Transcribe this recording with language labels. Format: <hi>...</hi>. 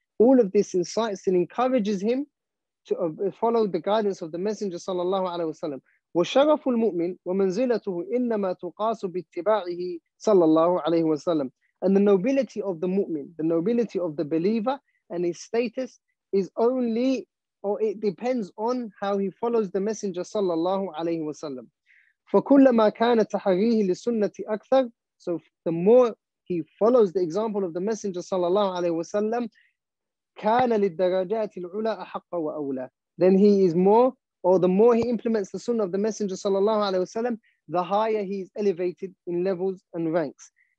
<en>All of this incites and encourages him to follow the guidance of the messenger</en> <ar>صلى الله عليه وسلم. وشرف المؤمن ومنزلته إنما تقاس باتباعه صلى الله عليه وسلم.</ar> <en>And the nobility of the mu'min, the nobility of the believer, and his status is only, or it depends on how he follows the messenger</en> <ar>صلى الله عليه وسلم. فكلما كان تحريه للسنة أكثر,</ar> <en>so the more he follows the example of the messenger sallallahu alayhi wa sallam,</en> <ar>كان للدرجات العلا أحق وأولى,</ar> <en>then he is more, or the more he implements the sunnah of the messenger sallallahu alayhi wa sallam, the higher he is elevated in levels and ranks.</en>